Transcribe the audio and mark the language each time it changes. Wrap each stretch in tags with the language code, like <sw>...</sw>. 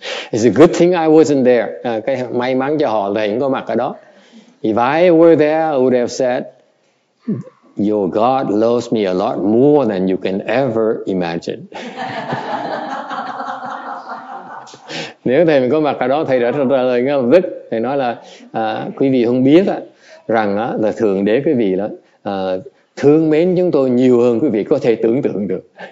<en>It's a good thing I wasn't there.</en> <vi>Cái may mắn cho họ là không có mặt ở đó.</vi> <en>If I were there, I would have said, your God loves me a lot more than you can ever imagine.</en> <vi>Nếu thầy mình có mặt ở đó, thầy đã trả lời ngay lập tức. Thầy nói là quý vị không biết rằng là Thượng Đế quý vị đó thương mến chúng tôi nhiều hơn quý vị có thể tưởng tượng được.</vi>